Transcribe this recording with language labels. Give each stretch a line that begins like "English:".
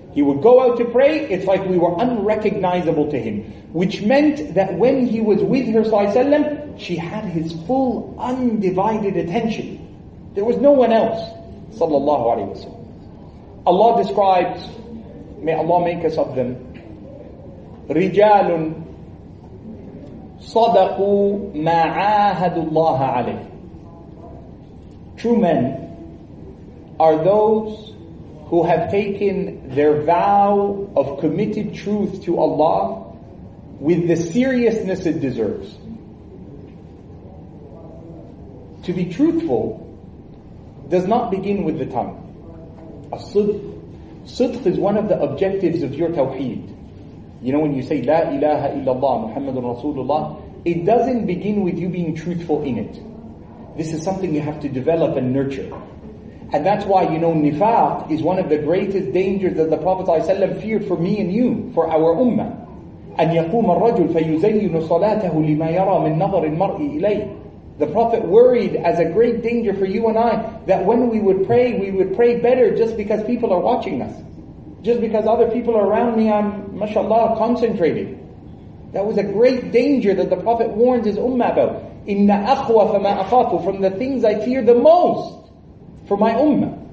English: He would go out to pray, it's like we were unrecognizable to him. Which meant that when he was with her, Sallallahu Alaihi Wasallam, she had his full undivided attention. There was no one else. Sallallahu Alaihi Wasallam. Allah describes, may Allah make us of them.
Arabic: رجال صدقوا ما عاهدوا الله عليه.
English: True men are those who have taken their vow of committed truth to Allah with the seriousness it deserves. To be truthful does not begin with the tongue. Sidq is one of the objectives of your tawheed. You know, when you say,
Arabic: La ilaha illallah, Muhammadun Rasulullah,
English: it doesn't begin with you being truthful in it. This is something you have to develop and nurture. And that's why, you know, nifaq is one of the greatest dangers that the Prophet ﷺ feared for me and you, for our ummah.
Arabic: أن يقوم الرجل فيزين صلاته لما يرى من نظر المرء إليه.
English: The Prophet worried as a great danger for you and I that when we would pray better just because people are watching us. Just because other people are around me, I'm, mashallah, concentrated. That was a great danger that the Prophet warns his ummah about.
Arabic: إِنَّ أَخْوَفَ مَا أَخَافُ
English: from the things I fear the most for my ummah.